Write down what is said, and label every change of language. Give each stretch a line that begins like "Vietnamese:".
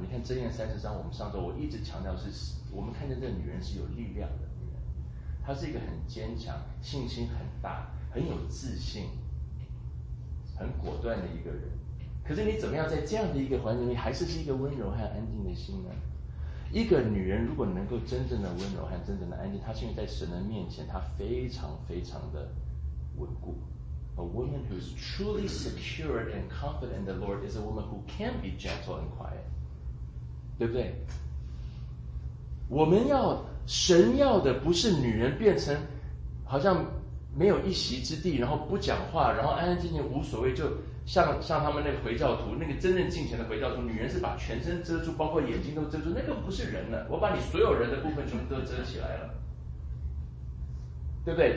Chinese: 你看箴言三十章，我们上周我一直强调是我们看见这个女人是有力量的，她是一个很坚强信心很大很有自信很果断的一个人。可是你怎么样在这样的一个环境里还是一个温柔和安静的心呢？一个女人如果能够真正的温柔和真正的安静，她现在在神的面前她非常非常的稳固。
English: A woman who is truly secured and confident in the Lord is a woman who can be gentle and quiet，
Chinese: 对不对？我们要神要的不是女人变成好像没有一席之地，然后不讲话，然后安安静静无所谓，就像他们那个回教徒，那个真正敬虔的回教徒，女人是把全身遮住，包括眼睛都遮住，那个不是人了，我把你所有人的部分全部都遮起来了，对不对？